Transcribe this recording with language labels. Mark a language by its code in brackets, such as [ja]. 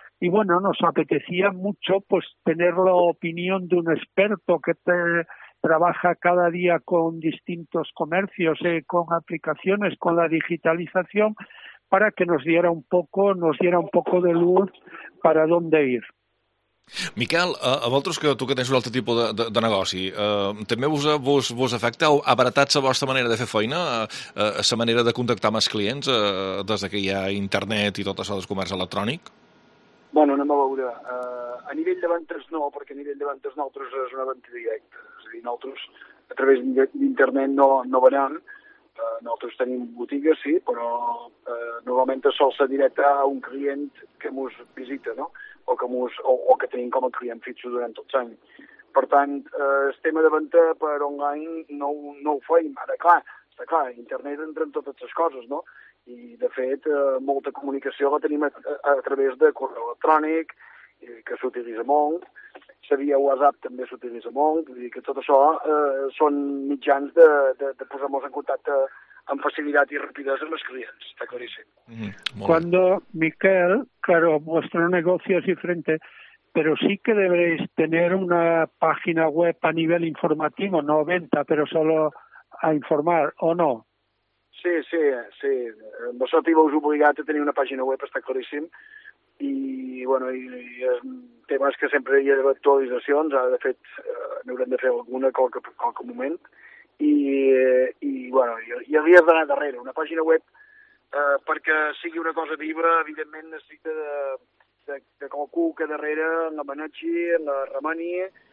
[es] Y bueno, nos apetecía mucho pues tener la opinión de un experto que trabaja cada día con distintos comercios, con aplicaciones, con la digitalización, para que nos diera un poco de luz para dónde ir. [ca] Miquel, a vosaltres, que tu que tens un altre tipus de negoci, també vos afecta o abaratat la vostra manera de fer feina, la manera de contactar amb els clients des que hi ha internet i tot això del comerç electrònic? Bueno, anem a veure. A nivell de ventes no, perquè a nivell de ventes nosaltres és una venda directa. És a dir, nosaltres a través d'internet no venem. Nosaltres tenim botigues, sí, però normalment sol ser directa a un client que mos visita, no? O que tenim com a client fixo durant tot l'any. Per tant, el tema de venda per online no ho feim. Ara, clar, està clar, internet entra en totes les coses, no? I, de fet, molta comunicació la tenim a través de correu electrònic, que s'utilitza molt. Seria WhatsApp, també s'utilitza molt. Vull dir que tot això són mitjans de posar-nos en contacte amb facilitat i rapidesa amb els clients. Està claríssim. [es] Cuando, Miquel, claro, vuestro negocio es diferente, pero sí que deberéis tener una página web a nivel informativo, no venta, pero solo a informar, ¿o no? Sí. [ca] Vosaltres vos obligat a tenir una pàgina web, està claríssim. I, bueno, i temes que sempre hi ha actualitzacions, ara, de fet, n'haurem de fer alguna en qualque moment. I bueno, i havies d'anar darrere. Una pàgina web, perquè sigui una cosa viva, evidentment necessita de qualcú que darrere la manegi, la remeni,